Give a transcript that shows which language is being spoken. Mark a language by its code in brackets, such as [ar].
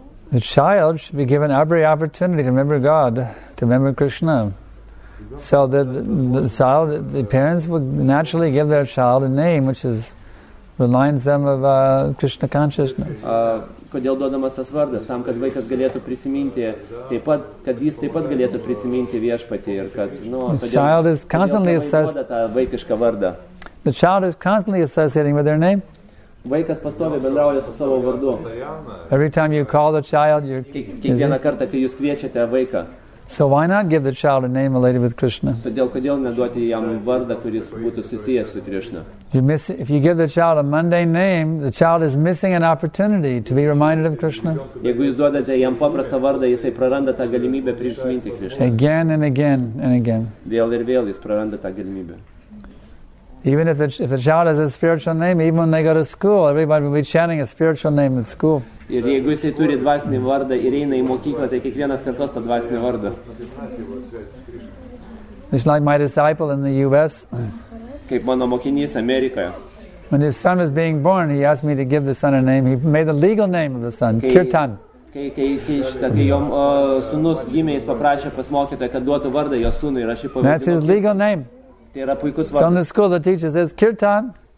[en] The child should be given every opportunity to remember God, to remember Krishna. So the parents would naturally give their child a name which is reminds them of Krishna consciousness. [lt] Kodėl duodamas tas vardas? Tam, kad vaikas galėtų prisiminti, taip pat, kad jis taip pat galėtų prisiminti viešpatį ir kad, nu, [en] The child is constantly associating with their name. [lt] Vaikas pastovi bendrauja su savo vardu. [en] Every time you call the child, you're... [lt] Kiekvieną kartą, kai jūs kviečiate vaiką. [en] So why not give the child a name related with Krishna? [lt] Todėl, kodėl neduoti jam vardą, kuris būtų susijęs su Krishna? [en] If you give the child a mundane name, the child is missing an opportunity to be reminded of Krishna. [lt] Jeigu jūs duodate jam paprastą vardą, jisai praranda tą galimybę prisiminti Krishna. [en] Again and again and again. [lt] Vėl ir vėl jis praranda tą galimybę. [en] Even if a child has a spiritual name, even when they go to school, everybody will be chanting a spiritual name in school. [lt] Ir jeigu jis turi dvasinį vardą ir eina į mokyklą, tai kiekvienas kartos tą dvasinį vardą. [en] It's like my disciple in the U.S. [lt] Kaip mano mokinys Amerikoje. [en] When his son was being born, he asked me to give the son a name. He made the legal name of the son, Kirtan. That's his legal name. So in the school, the teacher says, Kirtan.